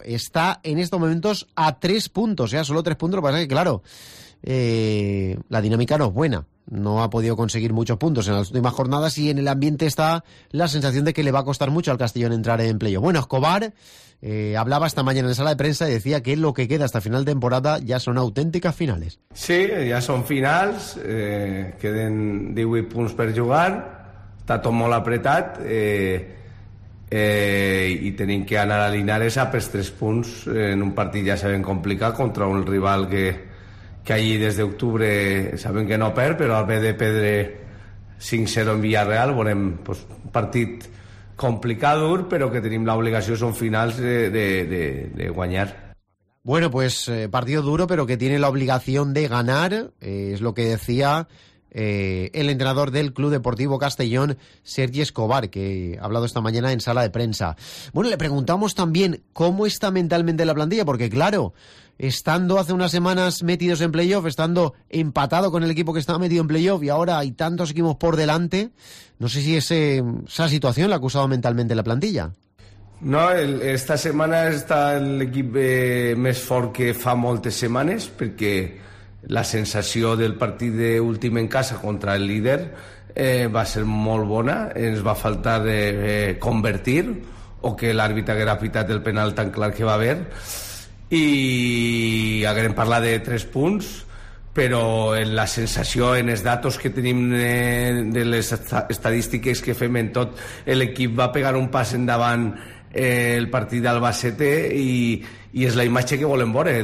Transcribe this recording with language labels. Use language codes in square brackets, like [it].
[es] Está en estos momentos a 3 puntos, solo 3 puntos, lo que pasa es que claro, la dinámica no es buena. No ha podido conseguir muchos puntos en las últimas jornadas y en el ambiente está la sensación de que le va a costar mucho al Castellón entrar en playoff. Bueno, Escobar hablaba esta mañana en sala de prensa y decía que lo que queda hasta final de temporada ya son auténticas finales. [ca] Sí, ya son finals, queden 18 punts per jugar, està tot molt apretat i tenim que anar a Linares a pels 3 punts en un partit ja saben complicat contra un rival que allí des d'octubre saben que no perd, però al ve de perdre 5-0 en Villarreal, veurem pues, un partit complicat, dur, però que tenim l'obligació, són finals, de guanyar. [es] Bueno, pues partido duro, pero que tiene la obligación de ganar, es lo que decía el entrenador del Club Deportivo Castellón, Sergi Escobar, que ha hablado esta mañana en sala de prensa. Bueno, le preguntamos también cómo está mentalmente la plantilla, porque claro, estando hace unas semanas metidos en playoff, estando empatado con el equipo que estaba metido en playoff y ahora hay tantos equipos por delante, no sé si esa situación la ha acusado mentalmente la plantilla. No, esta semana está el equipo más fuerte que [ca] fa moltes [es] semanas, porque [ca] la sensació del partit d'últim en casa contra el líder va ser molt bona. Ens va faltar convertir o que l'àrbitre haguera pitat el penal tan clar que va haver. I haguem parlat de 3 punts, però en la sensació, en els datos que tenim de les estadístiques que fem en tot, l'equip va pegar un pas endavant el partit d'Albacete i és la imatge que volem veure.